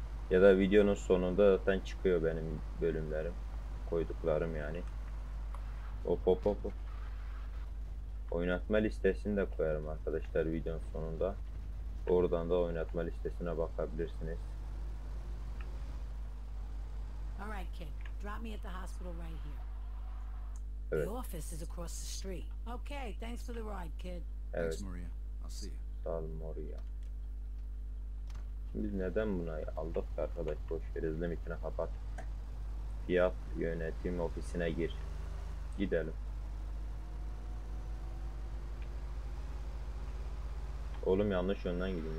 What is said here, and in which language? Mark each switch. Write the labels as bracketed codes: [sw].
[tr] Ya da videonun sonunda zaten çıkıyor benim bölümlerim, koyduklarım yani. Hop hop hop. Oynatma listesini de koyarım arkadaşlar videonun sonunda. Oradan da oynatma listesine bakabilirsiniz. [en] All right, kid. Drop me at the hospital right here. The [tr] Evet. [en] office is across the street. Okay, thanks for the ride, kid. Thanks, Maria. I'll see you. Moria. [tr] Biz neden bunu aldık ki arkadaş? Boş ver, izlemekini kapat. Fiyat yönetim ofisine gir. Gidelim. Oğlum yanlış yönden gidiyorum.